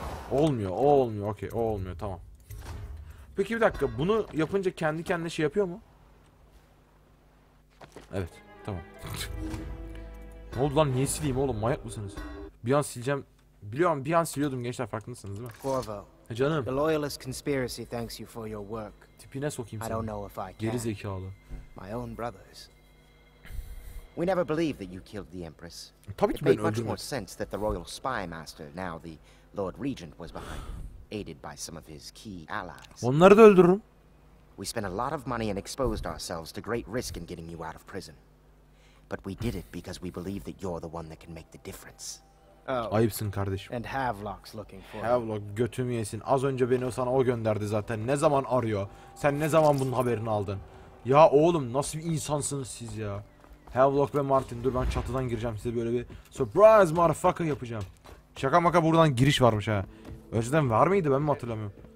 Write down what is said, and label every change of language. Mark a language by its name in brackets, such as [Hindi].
[Turkish] Olmuyor. Okey, o olmuyor. Tamam. Peki bir dakika. Bunu yapınca kendi kendine şey yapıyor mu? Evet, tamam. Ne oldu lan? Niye sileyim oğlum? Manyak mısınız? Bir an sileceğim. Biliyorum, bir an siliyordum gençler farkındasınız değil mi? Corvo, Canım. [English] The loyalist conspiracy thanks you for your work. [Turkish] Tipine sokayım seni. [English] I don't know if I can. [Turkish] Gerizekalı. [English] My own brothers. We never believed that you killed the Empress. [Turkish] Tabii ki ben öldürmedim. [English] It made much more sense that the royal spy master, now the Lord Regent, was behind, aided by some of his key allies. [Turkish] Onları da öldürürüm. [English] We spent a lot of money and exposed ourselves to great risk in getting you out of prison. But we did it because we believe that you're the one that can make the difference. [Turkish] Oh. Ayıpsın kardeşim. [English] And Havelock's looking for you. [Turkish] Havelock götümü yesin. Az önce beni sana o gönderdi zaten. Ne zaman arıyor? Sen ne zaman bunun haberini aldın? Ya oğlum nasıl bir insansınız siz ya? Havelock ve Martin dur ben çatıdan gireceğim size böyle bir [English] surprise motherfucker [Turkish] yapacağım. Şaka maka buradan giriş varmış ha. Önceden var mıydı ben mi hatırlamıyorum?